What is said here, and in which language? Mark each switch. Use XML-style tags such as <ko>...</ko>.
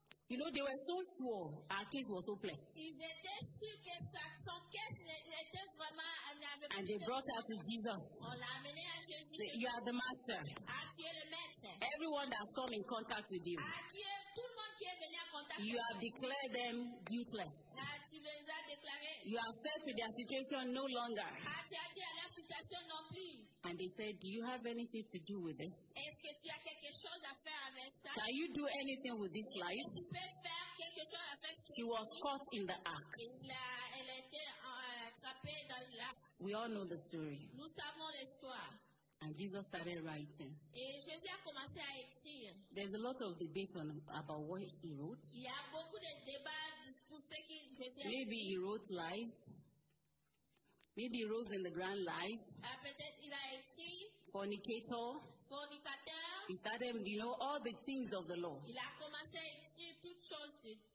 <en>You know, they were so sure her case was hopeless.</en> <fr>Ils étaient sûrs que son cas était vraiment...</fr> <en>And they brought her to Jesus.</en> <fr>On l'a amené à Jésus.</fr> <en>You are the master.</en> <fr>Ah, tu es le maître.</fr> <en>Everyone that has come in contact with you.</en> <fr>Ah, tu es, tout le monde qui est venu en contact.</fr> <en>You have declared them guiltless.</en> <fr>Ah, tu les as déclarés.</fr> <en>You have said to their situation no longer.</en> <fr>Ah, tu as dit à leur situation non plus.</fr> <en>And they said, do you have anything to do with this?</en> <fr>Est-ce que tu as quelque chose à faire avec ça?</fr> <en>Can you do anything with this life?</en> <fr>Tu peux faire quelque chose avec ça?</fr> <en>She was caught in the act.</en> <fr>Elle a été attrapée dans l'acte.</fr> <en>We all know the story.</en> <fr>Nous savons l'histoire.</fr> <en>And Jesus started writing.</en> <fr>Et Jésus a commencé à écrire.</fr> <en>There's a lot of debate on about what he wrote.</en> <fr>Il y a beaucoup de débats pour ce que Jésus a écrit.</fr> <en>Maybe he wrote lies. Maybe he wrote in the grand lies.</en> <fr>Peut-être il a écrit.</fr> <en>Fornicator.</en> <fr>Fornicateur.</fr> <en>He started, you know, all the things of the law.</en> <fr>Il a commencé à écrire toutes choses de...</fr>